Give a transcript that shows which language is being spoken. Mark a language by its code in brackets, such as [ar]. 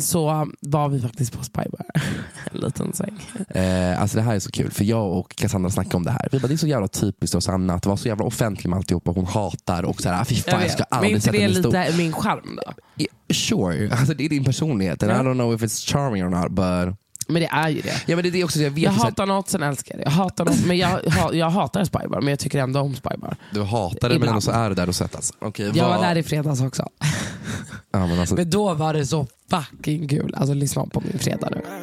[sv] Så var vi faktiskt på Spybar. En liten säng. Alltså det här är så kul, för jag och Cassandra snackade om det här. Vi bara, det är så jävla typiskt och Sanna att vara så jävla offentlig med alltihop och hon hatar och såhär, fy fan, jag ska aldrig sätta mig stor. Men inte det lite min charm då? Sure, alltså det är din personlighet. [en] Yeah. I don't know if it's charming or not, but... [sv] Men det är ju det. Ja, men det är också, jag vet, jag hatar något, sen älskar det. Jag hatar något, men jag hatar Spybar, men jag tycker ändå om Spybar. Du hatar det, men ändå så är det där och sättas. Okej, jag var där i fredags också. Ja, men, alltså. Men då var det så fucking kul. Alltså lyssna på min fredag nu.